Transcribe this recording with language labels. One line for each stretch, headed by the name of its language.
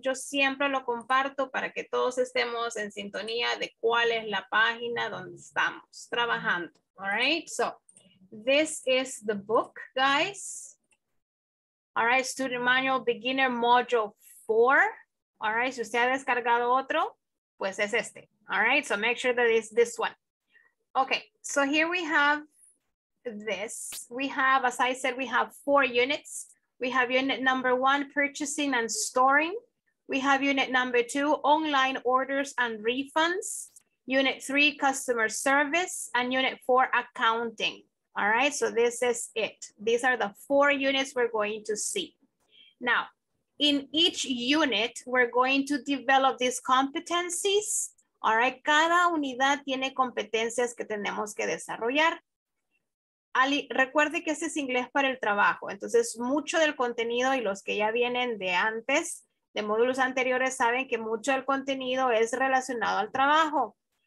Spanish: Yo siempre lo comparto para que todos estemos en sintonía de cuál es la página donde estamos trabajando.
English: All right, so. This is the book, guys. All right, Student Manual Beginner Module 4. All right,
Spanish: si usted ha descargado otro, pues es este.
English: All right, so make sure that it's this one. Okay, so here we have this. We have, as I said, we have 4 units. We have unit number 1, purchasing and storing. We have unit number 2, online orders and refunds. Unit 3, customer service. And unit 4, accounting. All right, so this is it. These are the 4 units we're going to see. Now, in each unit, we're going to develop these competencies. All right,
Spanish: cada unidad tiene competencias que tenemos que desarrollar. Ali, recuerde que este es inglés para el trabajo. Entonces, mucho del contenido y los que ya vienen de antes, de módulos anteriores, saben que mucho del contenido es relacionado al trabajo.